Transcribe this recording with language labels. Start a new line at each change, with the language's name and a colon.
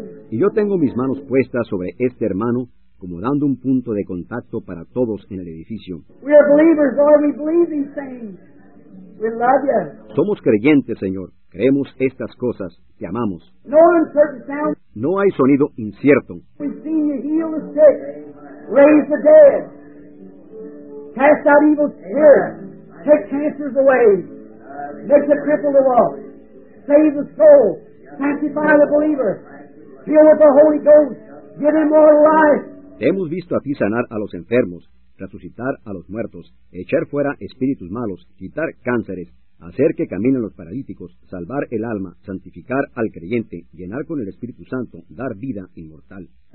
Spanish: Y yo tengo mis manos puestas sobre este hermano como dando un punto de contacto para todos en el edificio.
English: We are believers, Lord. We believe these things. We love you.
Spanish: Somos creyentes, Señor. Creemos estas cosas. Te amamos.
English: No uncertain sound.
Spanish: No hay sonido incierto.
English: We've seen you heal the sick, raise the dead, cast out evil spirits, take cancers away, make the crippled to walk, save the soul, sanctify the believer, heal with the Holy Ghost, give him more life.
Spanish: Hemos visto a ti sanar a los enfermos, resucitar a los muertos, echar fuera espíritus malos, quitar cánceres, hacer que caminen los paralíticos, salvar el alma, santificar al creyente, llenar con el Espíritu Santo, dar vida inmortal.